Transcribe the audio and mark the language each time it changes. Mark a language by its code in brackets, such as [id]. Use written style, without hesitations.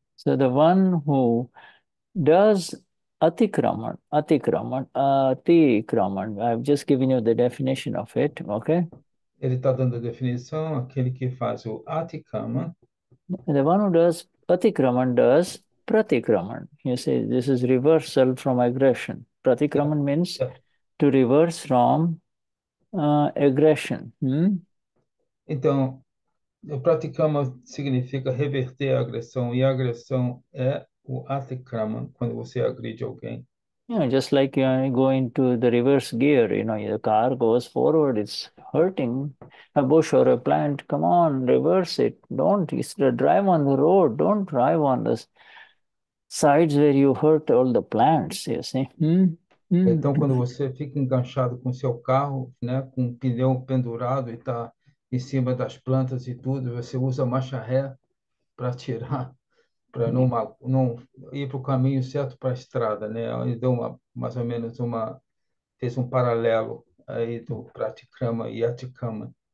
[en] So the one who does atikraman, atikraman, atikraman, I've just given you the definition of it, okay? [pt] Ele está dando a definição, aquele que faz o atikama. [en] The one who does atikraman does pratikraman. You see, this is reversal from aggression. Pratikraman means to reverse from aggression. [pt] Então, o pratikrama significa reverter a agressão, e a agressão é o atikrama, quando você agride alguém. [en] You know, just like you go into the reverse gear, you know, the car goes forward, it's hurting a bush or a plant. Come on, reverse it. Don't drive on the road. Don't drive on the sides where you hurt all the plants, you see. [pt] Então, quando você fica enganchado com seu carro, né, com o pneu pendurado e está em cima das plantas e tudo, você usa marcha ré para tirar, para não ir para o caminho certo para a estrada, né? Ele deu uma, mais ou menos uma, fez um paralelo aí do pratikrama e atikrama.